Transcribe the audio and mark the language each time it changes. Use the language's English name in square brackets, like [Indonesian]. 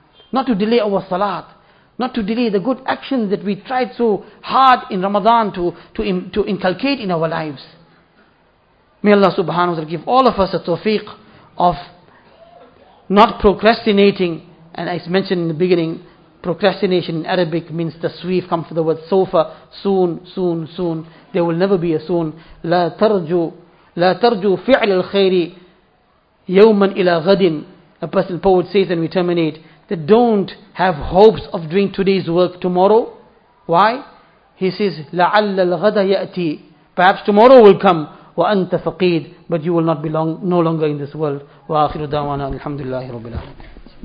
[English] Not to delay our salat. Not to delay the good actions that we tried so hard in Ramadan to inculcate in our lives. May Allah subhanahu wa ta'ala give all of us a tawfiq of not procrastinating. And as mentioned in the beginning, procrastination in Arabic means taswif, comes from the word sofa, soon, soon, soon. There will never be a soon. [Arabic] لا ترجو فعل الخير يوما إلى غد. [English] A person poet says and we terminate, that don't have hopes of doing today's work tomorrow. Why? He says, [Arabic] لَعَلَّ الْغَدَ يَأْتِي. [English] Perhaps tomorrow will come. [Arabic] وَأَنْتَ فَقِيدٌ. [English] But you will not be long, no longer in this world. [Arabic] وَآخِرُ دَعْوَانَا الْحَمْدُ لِلَّهِ رَبِّ الْعَالَمِينَ.